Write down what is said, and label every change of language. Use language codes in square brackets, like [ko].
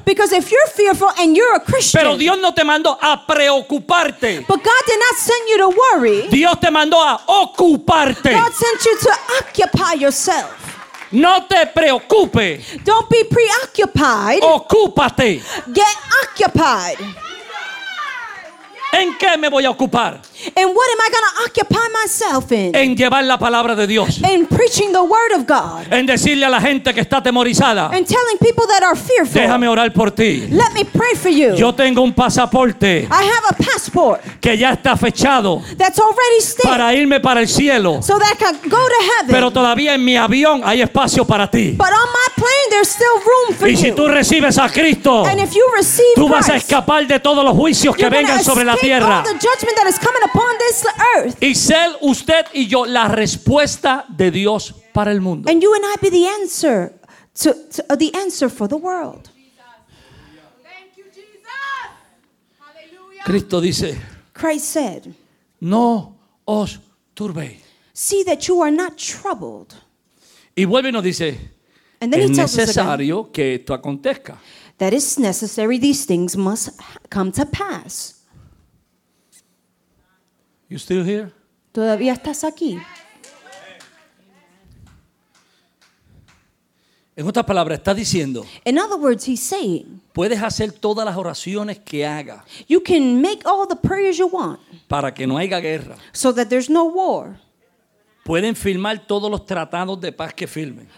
[en] Because if you're fearful and you're a Christian. [es] Pero Dios no te mandó a preocuparte. [en] But God did not send you to worry. [es] Dios te mandó a ocuparte. [en] God sent you to occupy yourself. [es] No te preocupes. [en] Don't be preoccupied. [es] Ocúpate. [en] Get occupied. [es] ¿En qué me voy a ocupar? [en] And what am I going to occupy myself in? [es] En llevar la palabra de Dios. [en] In preaching the word of God. [es] En decirle a la gente que está temorizada. [en] And telling people that are fearful. [es] Déjame orar por ti. [en] Let me pray for you. [es] Yo tengo un pasaporte. [en] I have a passport. [es] Que ya está fechado. [en] That's already stamped. [es] Para irme para el cielo. [en] So that I can go to heaven. [es] Pero todavía en mi avión hay espacio para ti. [en] But on my plane there's still room for [es] y [en] you. [es] Y si tú recibes a Cristo. [en] And if you receive [es] tú [en] Christ. [es] Tú vas a escapar de todos los juicios que vengan sobre la tierra. [en] All the judgment that is coming upon this earth. [es] Y ser usted y yo la respuesta de Dios para el mundo. [en] And you and I be the answer to the answer for the world. Thank you, Jesus. Hallelujah. [es] Cristo dice, [en] Christ said, [es] no os turbéis. [en] See that you are not troubled. [es] Y vuelve y nos dice, [en] And then [es] es [en] he tells [es] necesario [en] us again, [es] que esto acontezca. [en] That is necessary. These things must come to pass. You still here? [es] ¿Todavía estás aquí? En otras palabras, está diciendo. [en] In other words, he's saying. [es] Puedes hacer todas las oraciones que haga. [en] You can make all the prayers you want. [es] Para que no haya guerra. [en] So that there's no war. [es] Pueden firmar todos los tratados de paz que firmen.